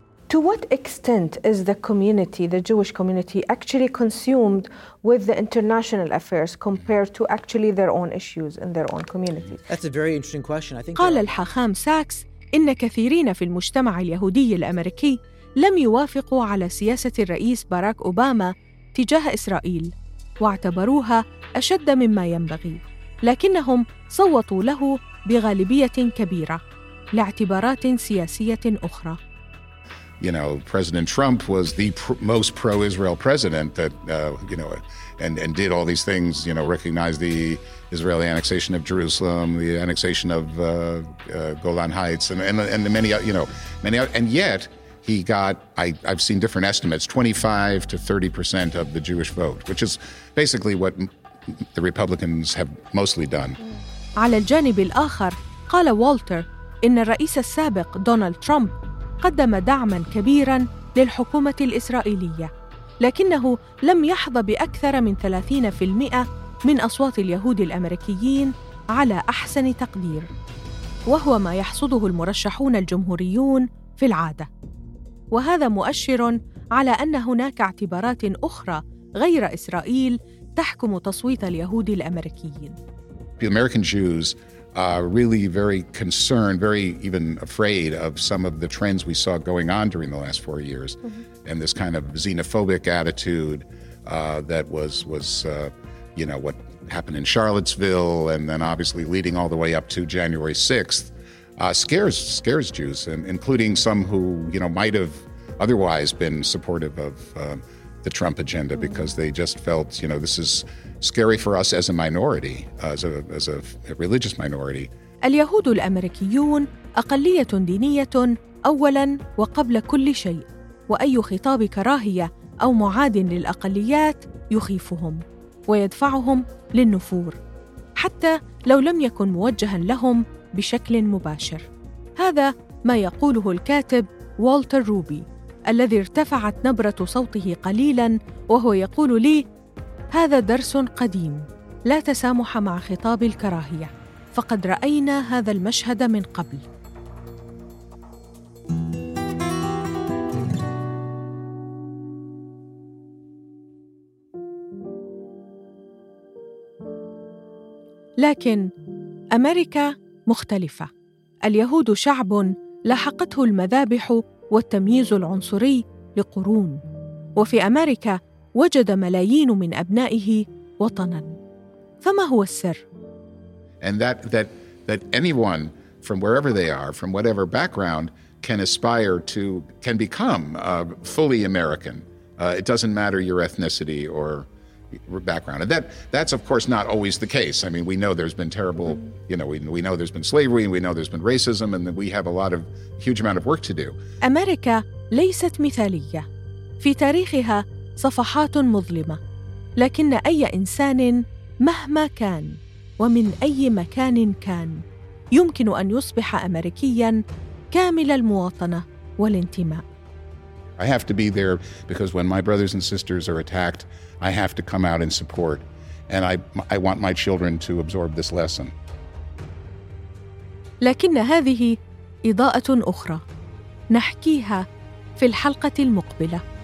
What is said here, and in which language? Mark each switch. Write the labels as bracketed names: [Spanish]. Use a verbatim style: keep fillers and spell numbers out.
[English] To what extent is the community, the Jewish community, actually consumed with the international affairs compared to actually their own issues in their own communities? That's a very interesting question. I think [Arabic] قال الحاخام ساكس إن كثيرين في المجتمع اليهودي الأمريكي لم يوافقوا على سياسة الرئيس باراك أوباما تجاه إسرائيل، واعتبروها أشد مما ينبغي، لكنهم صوتوا له بغالبية كبيرة لاعتبارات سياسية أخرى. [English] You know, President Trump was the pr- most pro-Israel president that, uh, you know, and, and did all these things, you know, recognized the Israeli annexation of Jerusalem, the annexation of uh, uh, Golan Heights, and, and, and many, you know, many, and yet he got, I, I've seen different estimates, twenty-five to thirty percent of the Jewish vote, which is basically what the Republicans have mostly done. [Arabic] على الجانب الآخر قال والتر إن الرئيس السابق دونالد ترامب قدم دعماً كبيراً للحكومة الإسرائيلية، لكنه لم يحظى بأكثر من ثلاثين بالمئة من أصوات اليهود الأمريكيين على أحسن تقدير، وهو ما يحصده المرشحون الجمهوريون في العادة. وهذا مؤشر على أن هناك اعتبارات أخرى غير إسرائيل تحكم تصويت اليهود الأمريكيين. [English] The American Jews are really very concerned, very even afraid of some of the trends we saw going on during the last four years, mm-hmm. and this kind of xenophobic attitude uh, that was was uh, you know what happened in Charlottesville, and then obviously leading all the way up to January sixth. Uh, scares scares Jews, and including some who you know might have otherwise been supportive of uh, the Trump agenda, because they just felt you know this is scary for us as a minority, as a as a religious minority. [Arabic] اليهود الأمريكيون أقلية دينية أولاً وقبل كل شيء، وأي خطاب كراهية أو معاد للأقليات يخيفهم ويدفعهم للنفور، حتى لو لم يكن موجهاً لهم بشكل مباشر. هذا ما يقوله الكاتب والتر روبي الذي ارتفعت نبرة صوته قليلاً وهو يقول لي: هذا درس قديم، لا تسامح مع خطاب الكراهية، فقد رأينا هذا المشهد من قبل. لكن أمريكا مختلفة. اليهود شعب لاحقته المذابح والتمييز العنصري لقرون، وفي أمريكا وجد ملايين من أبنائه وطناً. فما هو السر؟ [English] And that that that anyone from wherever they are, from whatever background, can aspire to, can become uh, fully American. Uh, it doesn't matter your ethnicity or background. And that that's, of course, not always the case. I mean, we know there's been terrible, you know, we, we know there's been slavery, and we know there's been racism, and we have a lot of, huge amount of work to do. [Arabic] أمريكا ليست مثالية. في تاريخها صفحات مظلمة. لكن أي إنسان مهما كان ومن أي مكان كان يمكن أن يصبح أمريكياً كامل المواطنة والانتماء. [English] I have to be there because when my brothers and sisters are attacked, I have to come out and support. And I, I want my children to absorb this lesson. [Arabic] لكن هذه إضاءة أخرى نحكيها في الحلقة المقبلة.